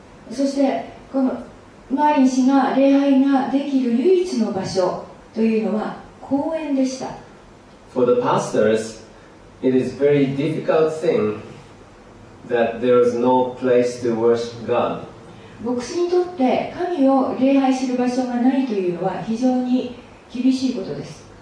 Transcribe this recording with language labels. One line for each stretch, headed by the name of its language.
Japanese: そしてこのマーリン氏が礼拝ができる唯一の場所というのは公園でした。
English: For the pastors, it is a very difficult thing that there is no place to worship God.
Japanese: 牧師にとって神を礼拝する場所がないというのは非常に厳しいことです。